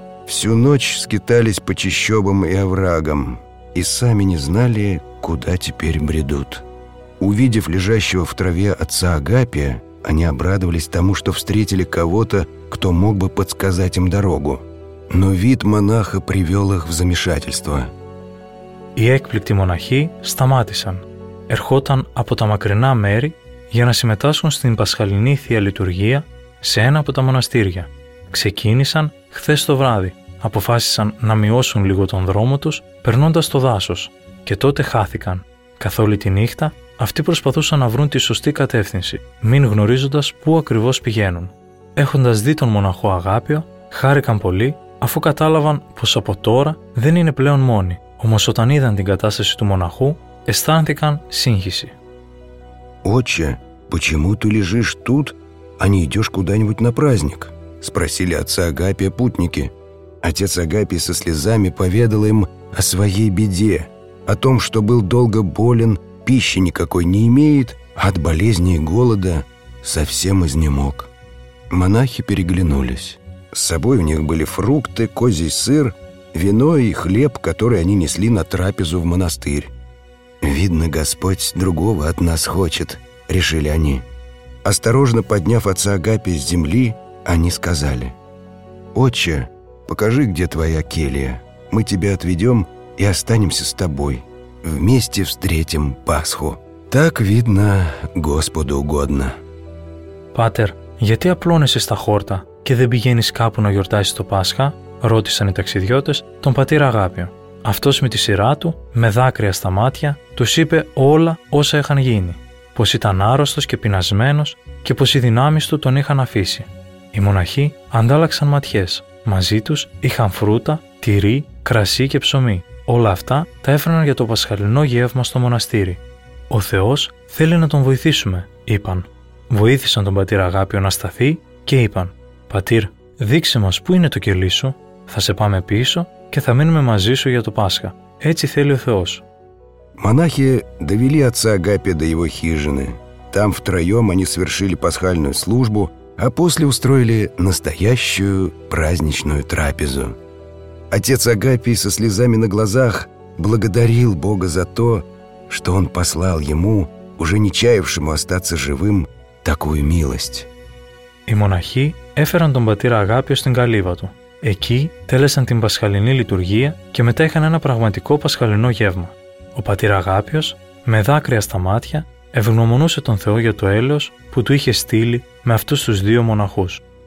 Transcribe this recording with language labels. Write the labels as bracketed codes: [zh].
[ru] Всю ночь скитались по чащобам и оврагам и сами не знали, куда теперь бредут. Увидев лежащего в траве отца Агапия, они обрадовались тому, что встретили кого-то, кто мог бы подсказать им дорогу. Но вид монаха привел их в замешательство. [el] Οι έκπληκτοι μοναχοί σταμάτησαν. Ερχόταν από τα μακρινά μέρη για να συμμετάσχουν στην Πασχαλινή Θεία Λειτουργία σε ένα από τα μοναστήρια. Ξεκίνησαν χθες το βράδυ, αποφάσισαν να μειώσουν λίγο τον δρόμο τους, περνώντας το δάσος, και τότε χάθηκαν. Καθ' όλη τη νύχτα, αυτοί προσπαθούσαν να βρουν τη σωστή κατεύθυνση, μην γνωρίζοντας πού ακριβώς πηγαίνουν. Έχοντας δει τον μοναχό Αγάπιο, χάρηκαν πολύ, αφού κατάλαβαν πως από τώρα δεν είναι πλέον μόνοι. Όμως όταν είδαν την κατάσταση του μοναχού, αισθάνθηκαν σύγχυση. [ru] «Отче, почему ты лежишь тут, а не идёшь куда-нибудь на праздник?» Спросили отца Агапия путники. Отец Агапий со слезами поведал им о своей беде, о том, что был долго болен, пищи никакой не имеет, а от болезни и голода совсем изнемог. Монахи переглянулись. С собой у них были фрукты, козий сыр, вино и хлеб, который они несли на трапезу в монастырь. «Видно, Господь другого от нас хочет», — решили они. Осторожно подняв отца Агапия с земли, они сказали: «Отче, покажи, где твоя келья. Мы тебя отведем и останемся с тобой. Вместе встретим Пасху. Так, видно, Господу угодно. [el] Патер, γιατί απλώνεσαι στα χόρτα και δεν πηγαίνεις κάπου να γιορτάσεις το Πάσχα, ρώτησαν οι ταξιδιώτες τον πατήρ Αγάπιο. Αυτός με τη σειρά του, με δάκρυα στα μάτια, τους είπε όλα όσα είχαν γίνει, πως ήταν άρρωστος και πεινασμένος και πως οι δυνάμεις του τον είχαν αφήσει. Οι μοναχοί αντάλλαξαν ματιές. Μαζί τους είχαν φρούτα, τυρί, κρασί και ψωμί. Όλα αυτά τα έφεραν για το πασχαλινό γεύμα στο μοναστήρι. «Ο Θεός θέλει να τον βοηθήσουμε», είπαν. Βοήθησαν τον πατήρ Αγάπιο να σταθεί και είπαν: «Πατήρ, δείξε μας πού είναι το κελί σου, θα σε πάμε πίσω και θα μείνουμε μαζί σου για το Πάσχα. Έτσι θέλει ο Θεός». [ru] Монахи довели отца Агапия до его хижины. Там втроем они совершили пасхальную службу, а после устроили настоящую праздничную трапезу. Отец Агапий со слезами на глазах благодарил Бога за то, что он послал ему, уже не чаявшему остаться живым, такую милость. [el] Οι μοναχοί έφεραν τον πατήρα Αγάπιο στην καλύβα του. Εκεί τέλεσαν την πασχαλινή λειτουργία και μετά είχαν ένα πραγματικό πασχαλινό γεύμα. Ο πατήρ Αγάπιος, με δάκρυα στα μάτια, ευγνωμονούσε τον Θεό για το έλεος που του είχε στείλει με αυτούς τους δύο μοναχούς.